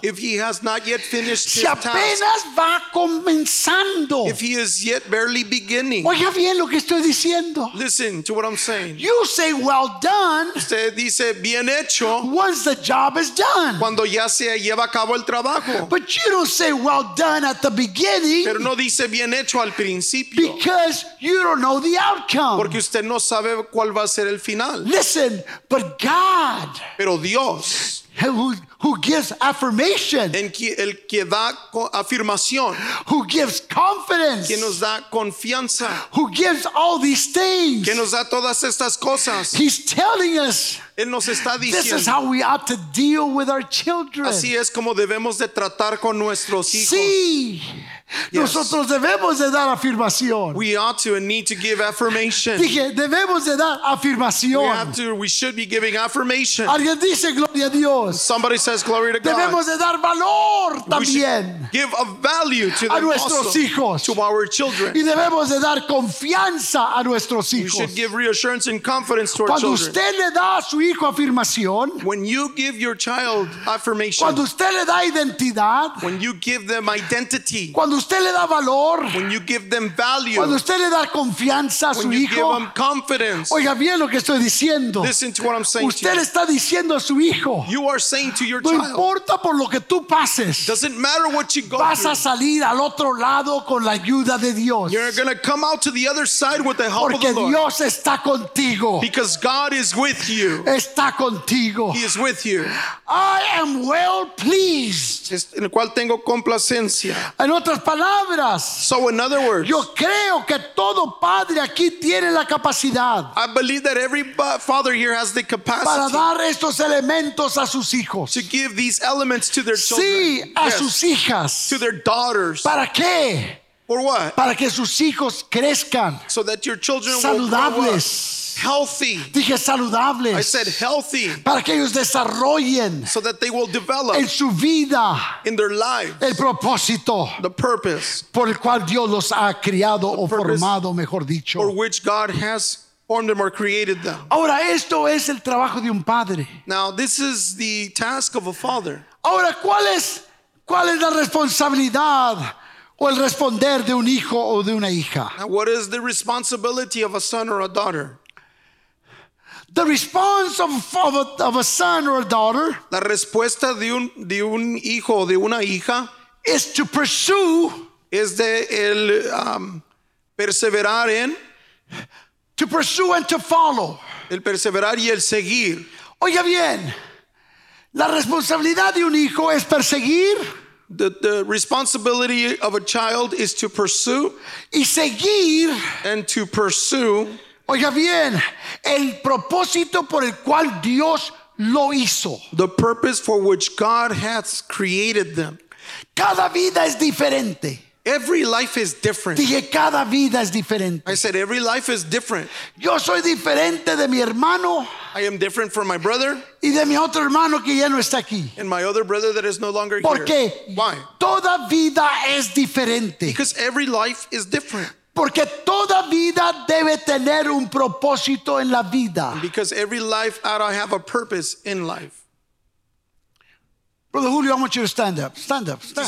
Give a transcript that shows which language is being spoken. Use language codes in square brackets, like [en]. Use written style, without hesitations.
[en] If he has not yet finished [es] si [en] his task. [es] Si apenas va comenzando. [en] If he is yet barely beginning. [es] Oiga bien lo que estoy diciendo. [en] Listen to what I'm saying. You say well done. [es] Usted dice bien hecho. [en] Once the job is done. [es] Cuando ya se lleva a cabo el trabajo. [en] But you don't say well done at the beginning. [es] Pero no dice bien hecho al principio. [en] Because you don't know the outcome. [es] Porque usted no sabe cuál va a ser el final. [en] Listen, but God, [es] pero Dios, [en] who gives affirmation, [es] el que da afirmación, [en] who gives confidence, [es] que nos da confianza, [en] who gives all these things, [es] que nos da todas estas cosas, [en] he's telling us, [es] él nos está diciendo, [en] this is how we ought to deal with our children. [es] Así es como debemos de tratar con nuestros hijos. Sí. [en] Yes. [es] Nosotros debemos de dar afirmación. [en] We ought to and need to give affirmation. [es] Dije, debemos de dar afirmación. [en] We have to, we should be giving affirmation. [es] Alguien dice gloria a Dios. [en] Somebody says glory to God. [es] Debemos de dar valor también. [en] We should give a value to [es] a nuestros [en] also, [es] hijos. [en] To our children. [es] Y debemos de dar confianza a nuestros hijos. [en] We should give reassurance and confidence to [es] Cuando [en] our children. [es] Cuando usted le da a su hijo afirmación. [en] When you give your child affirmation. [es] Cuando usted le da identidad. [en] When you give them identity. [es] Cuando usted le da valor, [en] when you give them value, [es] cuando usted le da confianza a su hijo, [en] when you give them confidence, [es] oiga bien lo que estoy diciendo, [en] listen to what I'm saying. [es] Usted le está diciendo a su hijo, [en] you are saying to your [es] no importa [en] child, [es] por lo que tú pases, [en] doesn't matter what you go [es] vas [en] through, [es] a salir al otro lado con la ayuda de Dios, [en] you're going to come out to the other side with the help [es] porque [en] of the Lord, [es] porque Dios está contigo, [en] because God is with you, [es] está contigo, [en] he is with you, I am well pleased, [es] en el cual tengo complacencia, en otras palabras. [en] So in other words, [es] yo creo que todo padre aquí tiene la capacidad. [en] I believe that every father here has the capacity [es] para dar estos elementos a sus hijos. [en] To give these elements to their [es] sí, [en] children. [es] A [en] yes, [es] sus hijas. [en] To their daughters. [es] ¿Para qué? [en] For what? [es] Para que sus hijos crezcan. [en] So that your children [es] saludables. [en] Will grow up. Healthy. [es] Dije saludables. [en] I said healthy. [es] Para que ellos desarrollen. [en] So that they will develop. [es] En su vida. [en] In their lives. [es] El propósito. [en] The purpose. [es] Por el cual Dios los ha criado o formado, mejor dicho. [en] For which God has formed them or created them. [es] Ahora esto es el trabajo de un padre. [en] Now this is the task of a father. [es] Ahora cuál es la responsabilidad o el responder de un hijo o de una hija. [en] Now what is the responsibility of a son or a daughter? The response of a son or a daughter, [es] la respuesta de un hijo o de una hija, [en] is to pursue, [es] es de el perseverar en, [en] to pursue and to follow, [es] el perseverar y el seguir. Oiga bien, la responsabilidad de un hijo es perseguir. [en] The responsibility of a child is to pursue, [es] y seguir, [en] and to pursue. [es] Oiga bien, el propósito por el cual Dios lo hizo. [en] The purpose for which God has created them. [es] Cada vida es diferente. [en] Every life is different. [es] Dije, cada vida es diferente. [en] I said every life is different. [es] Yo soy diferente de mi hermano. [en] I am different from my brother. [es] Y de mi otro hermano que ya no está aquí. [en] And my other brother that is no longer here. [es] ¿Por qué? [en] Why? [es] Toda vida es diferente. [en] Because every life is different. [es] Porque toda vida debe tener un propósito en la vida. [en] Because every life ought to have a purpose in life. Brother Julio, I want you to stand up. Stand up.